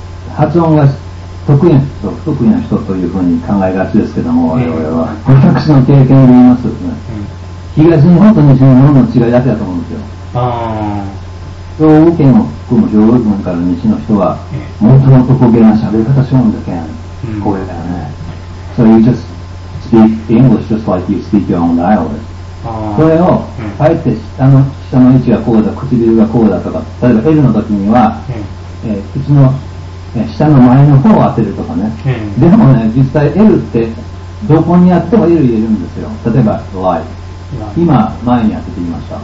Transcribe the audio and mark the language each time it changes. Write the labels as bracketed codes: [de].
[ja] 発音が得意な人と不得意な人というふうに考えがちですけども、我々は私の経験で言いますとですね、東日本と西日本の違いだけだと思うんですよ。兵庫県を含む兵庫県から西の人は、もともと方言な喋り方しようんだけん、声だよね。 [en] So you just speak English just like you speak your own dialect。 [ja] それを、あえて下の位置がこうだ、唇がこうだとか、例えば L の時には、うちの下の前の方を当てるとかね。でもね、実際 L ってどこにやっても L 入れるんですよ。例えば Y。今、前に当ててみました。